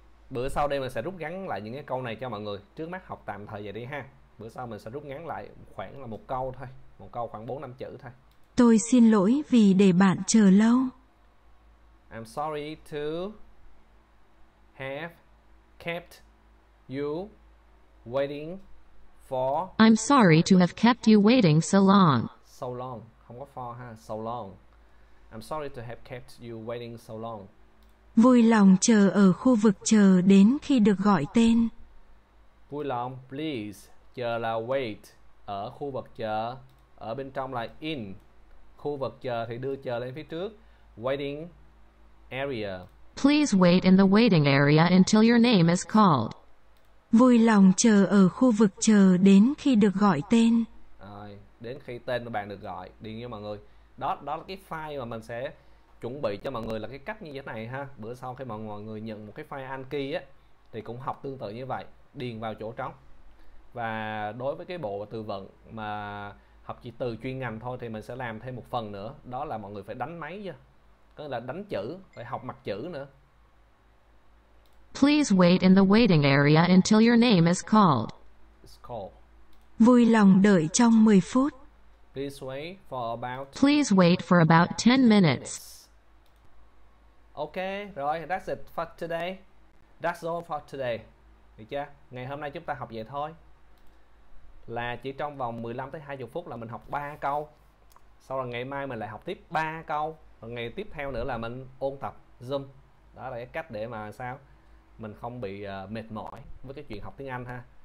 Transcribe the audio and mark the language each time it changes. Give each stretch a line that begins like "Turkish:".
Vietnamese: Bữa sau đây mình sẽ rút ngắn lại những cái câu này cho mọi người. Trước mắt học tạm thời vậy đi ha. Bữa sau mình sẽ rút ngắn lại khoảng là một câu thôi. Một câu khoảng 4-5 chữ thôi. Tôi xin lỗi vì để bạn chờ lâu.
English: I'm sorry to have kept you waiting for. I'm sorry to have kept you waiting so long. So long.
Vietnamese: Không có
English: for ha. So long. I'm sorry to have kept you waiting so long.
Vietnamese: Vui lòng chờ ở khu vực chờ đến khi được gọi tên. Vui lòng, please. Chờ là wait. Ở khu vực chờ. Ở bên trong là in. Khu vực chờ thì đưa chờ lên phía trước.
English: Waiting area. Please wait in the waiting area until your name is called.
Vietnamese: Vui lòng chờ ở khu vực chờ đến khi được gọi tên. Rồi, đến khi tên của bạn được gọi. Đi nha mọi người. Đó là cái file mà mình sẽ chuẩn bị cho mọi người là cái cách như thế này ha. Bữa sau khi mọi người nhận một cái file Anki á thì cũng học tương tự như vậy, điền vào chỗ trống. Và đối với cái bộ từ vựng mà học chỉ từ chuyên ngành thôi thì mình sẽ làm thêm một phần nữa, đó là mọi người phải đánh máy chứ. Có nghĩa là đánh chữ, phải học mặt chữ nữa.
English: Please wait in the waiting area until your name is called. It's called.
Vietnamese: Vui lòng đợi trong 10 phút.
English: Please wait for about. Please wait for about 10 minutes. Okay,
Vietnamese: rồi,
English: that's it for today. That's all for today.
Vietnamese: Được chưa? Ngày hôm nay chúng ta học vậy thôi. Là chỉ trong vòng 15 tới 20 phút là mình học 3 câu. Sau là ngày mai mình lại học tiếp 3 câu. Và ngày tiếp theo nữa là mình ôn tập Zoom. Đó là cái cách để mà sao mình không bị mệt mỏi với cái chuyện học tiếng Anh ha.